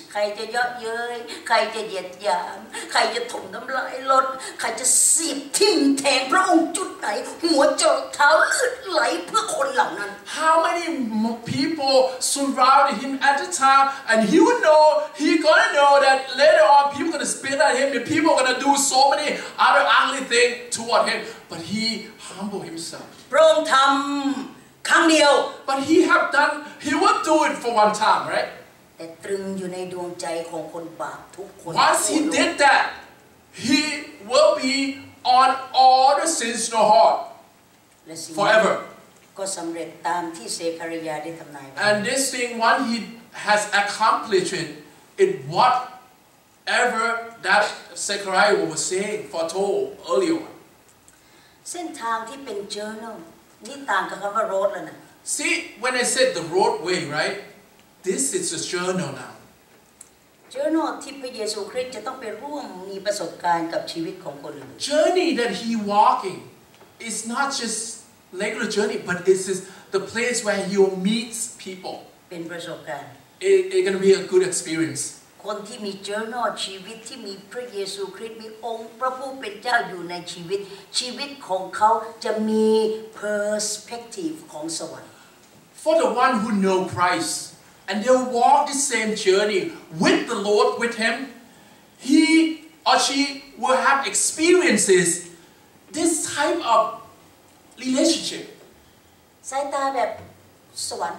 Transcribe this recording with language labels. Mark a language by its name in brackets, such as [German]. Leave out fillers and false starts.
[Thai] ใครจะเยอะเย้ยใครจะเหยียดหยามใครจะถมน้ำลายลดใครจะเสียบทิ่มแทงพระองค์จุดไหนหัวเจาะเท้าเลือดไหลเพื่อคนเหล่านั้น [English] How many people surrounded him at the time, and he would know, he gonna know that later on people gonna spit at him, and people gonna do so many other ugly things toward him, but he humbled himself. [Thai] พระองค์ทำครั้งเดียว [English] but he have done he would do it for one time right [Thai] แต่ตรึงอยู่ในดวงใจของคนบาปทุกคน [English] once he did that he will be on all the sins in your heart forever [Thai] ก็สำเร็จตามที่เซคาริยาได้ทำนาย [English] and this thing what he has accomplished in whatever that Zechariah was saying foretold earlier [Thai] เส้นทางที่เป็น journalนี่ต่างกับคำว่า road แล้วนะ [English] See when I said the roadway right this is a journal now [Thai] journey ที่พระเยซูคริสต์จะต้องไปร่วมมีประสบการณ์กับชีวิตของคนอื่น [English] journey that he walking is not just regular journey but this is the place where he will meet people [Thai] เป็นประสบการณ์ [English] it's gonna be a good experience [Thai] คนที่มี journey ชีวิตที่มีพระเยซูคริสต์มีองค์พระผู้เป็นเจ้าอยู่ในชีวิตชีวิตของเขาจะมี perspective ของสวรรค์ [English] For the one who know Christ and they walk the same journey with the Lord with him he or she will have experiences this type of relationship [Thai] สายตาแบบสวรรค